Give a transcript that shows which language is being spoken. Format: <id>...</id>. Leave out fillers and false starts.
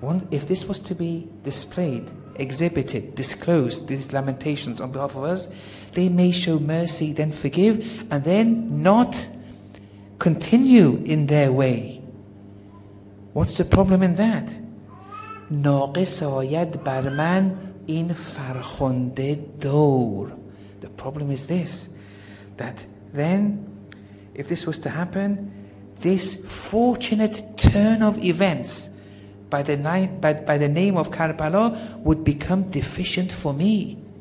<en>If this was to be displayed, exhibited, disclosed, these lamentations on behalf of us, they may show mercy, then forgive, and then not continue in their way. What's the problem in that?</en> <fa>ناقص آید بر من این فرخنده دور.</fa> <en>The problem is this, that then, if this was to happen, this fortunate turn of events by the name of Karbala would become deficient for me.</en>